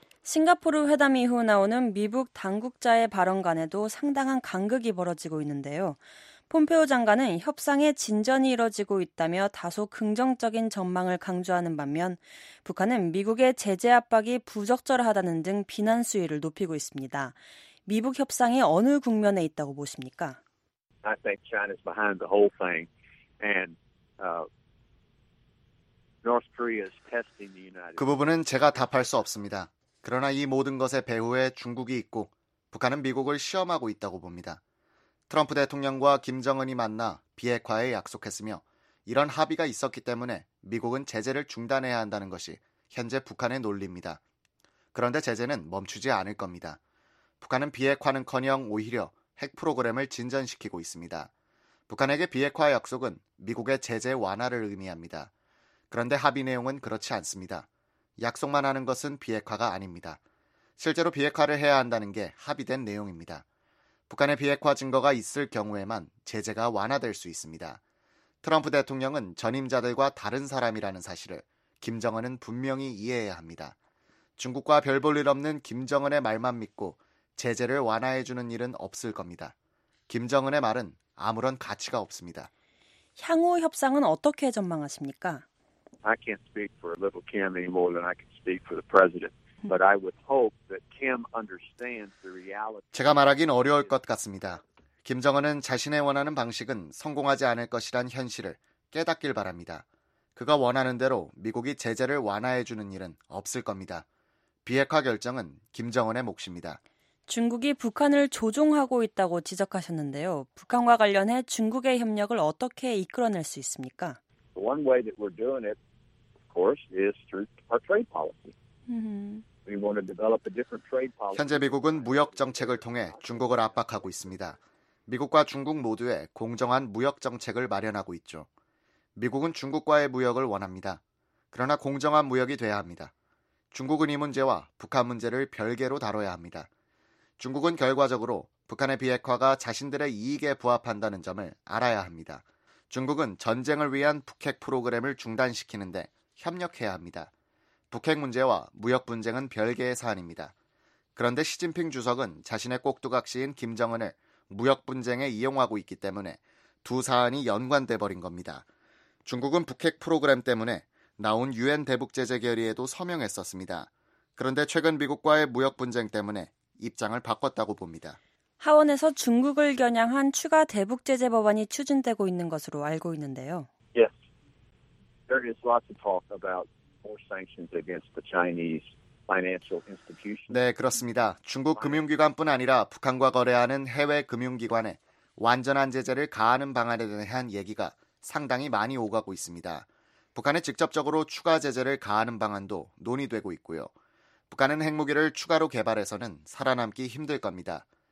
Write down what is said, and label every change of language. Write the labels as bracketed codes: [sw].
[ko] 싱가포르 회담 이후 나오는 미북 당국자의 발언 간에도 상당한 간극이 벌어지고 있는데요. 폼페오 장관은 협상에 진전이 이뤄지고 있다며 다소 긍정적인 전망을 강조하는 반면 북한은 미국의 제재 압박이 부적절하다는 등 비난 수위를 높이고 있습니다. 미북 협상이 어느 국면에 있다고 보십니까? [en] I think China's behind the whole thing and North Korea's testing the United. [ko] 그 부분은 제가 답할 수 없습니다. 그러나 이 모든 것의 배후에 중국이 있고 북한은 미국을 시험하고 있다고 봅니다. 트럼프 대통령과 김정은이 만나 비핵화에 약속했으며 이런 합의가 있었기 때문에 미국은 제재를 중단해야 한다는 것이 현재 북한의 논리입니다. 그런데 제재는 멈추지 않을 겁니다. 북한은 비핵화는커녕 오히려 핵 프로그램을 진전시키고 있습니다. 북한에게 비핵화 약속은 미국의 제재 완화를 의미합니다. 그런데 합의 내용은 그렇지 않습니다. 약속만 하는 것은 비핵화가 아닙니다. 실제로 비핵화를 해야 한다는 게 합의된 내용입니다. 북한의 비핵화 증거가 있을 경우에만 제재가 완화될 수 있습니다. 트럼프 대통령은 전임자들과 다른 사람이라는 사실을 김정은은 분명히 이해해야 합니다. 중국과 별 볼 일 없는 김정은의 말만 믿고 제재를 완화해주는 일은 없을 겁니다. 김정은의 말은 아무런 가치가 없습니다. 향후 협상은 어떻게 전망하십니까? [en] I can't speak for little Kim any more than I can speak for the president. But I would hope that Kim understands the reality. [ko] 제가 말하긴 어려울 것 같습니다. 김정은은 자신의 원하는 방식은 성공하지 않을 것이란 현실을 깨닫길 바랍니다. 그가 원하는 대로 미국이 제재를 완화해 주는 일은 없을 겁니다. 비핵화 결정은 김정은의 몫입니다. 중국이 북한을 조종하고 있다고 지적하셨는데요. 북한과 관련해 중국의 협력을 어떻게 이끌어낼 수 있습니까? [en] one way that we're doing it, of course, is through our trade policy. Mm-hmm. We want to develop a different trade policy. [ko] 현재 미국은 무역 정책을 통해 중국을 압박하고 있습니다. 미국과 중국 모두의 공정한 무역 정책을 마련하고 있죠. 미국은 중국과의 무역을 원합니다. 그러나 공정한 무역이 돼야 합니다. 중국은 이 문제와 북한 문제를 별개로 다뤄야 합니다. 중국은 결과적으로 북한의 비핵화가 자신들의 이익에 부합한다는 점을 알아야 합니다. 중국은 전쟁을 위한 북핵 프로그램을 중단시키는데 협력해야 합니다. 북핵 문제와 무역 분쟁은 별개의 사안입니다. 그런데 시진핑 주석은 자신의 꼭두각시인 김정은을 무역 분쟁에 이용하고 있기 때문에 두 사안이 연관돼 버린 겁니다. 중국은 북핵 프로그램 때문에 나온 유엔 대북 제재 결의에도 서명했었습니다. 그런데 최근 미국과의 무역 분쟁 때문에 입장을 바꿨다고 봅니다. 하원에서 중국을 겨냥한 추가 대북 제재 법안이 추진되고 있는 것으로 알고 있는데요. [en] Yes. There is lots of talk about more sanctions against the Chinese financial institutions. [ko] 네, 그렇습니다. 중국 금융기관뿐 아니라 북한과 거래하는 해외 금융기관에 완전한 제재를 가하는 방안에 대한 얘기가 상당히 많이 오가고 있습니다. 북한에 직접적으로 추가 제재를 가하는 방안도 논의되고 있고요. 북한은 핵무기를 추가로 개발해서는 살아남기 힘들 겁니다.